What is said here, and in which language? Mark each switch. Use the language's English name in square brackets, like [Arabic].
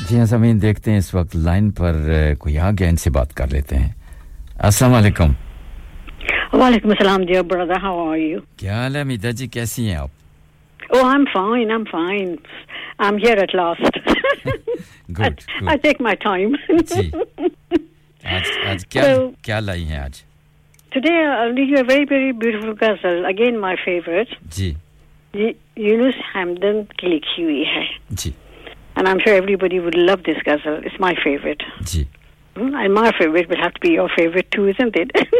[Urdu] سامین دیکھتے ہیں اس وقت لائن پر کوئی آ گیا ان سے بات کر لیتے ہیں السلام علیکم وعلیکم السلام [English] dear brother how are you [Urdu] کیا حال ہے میدہ جی کیسی ہیں آپ [English] oh I'm fine I'm here at last good I take my time [Urdu] جی آج کیا لائی ہیں آج [English] today I'll read you a very very beautiful ghazal again my favorite [Urdu] جی یونس حمدن کی لکھی ہوئی ہے جی [English] And I'm sure everybody would love this ghazal. It's my favorite. [Urdu] Ji. [English] And my favorite will have to be your favorite too, isn't it?